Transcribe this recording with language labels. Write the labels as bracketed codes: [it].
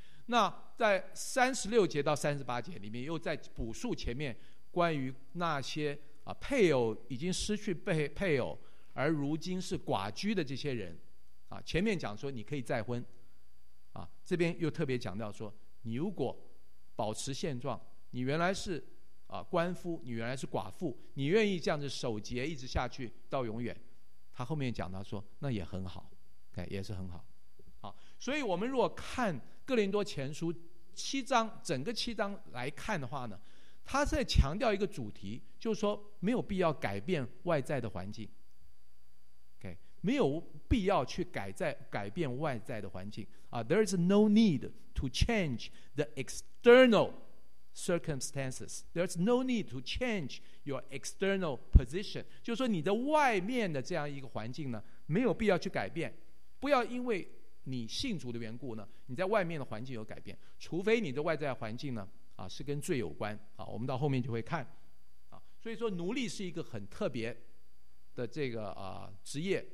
[zh] 那在36节到38节里面又在补述前面关于那些配偶已经失去配偶而如今是寡居的这些人，前面讲说你可以再婚，这边又特别讲到说你如果保持现状，你原来是官夫，你原来是寡妇，你愿意这样子守节一直下去到永远，他后面讲到说那也很好，也是很好。所以我们如果看哥林多前书整个七章来看的话呢，他在强调一个主题，就是说没有必要改变外在的环境。 Okay, 没有必要去改变外在的环境。 [en] There is no need to change the external circumstances. There is no need to change your external position. [zh] 就是说你的外面的这样一个环境呢，没有必要去改变。不要因为你信主的缘故呢，你在外面的环境有改变，除非你的外在环境呢是跟罪有关，我们到后面就会看，所以说奴隶是一个很特别的这个职业。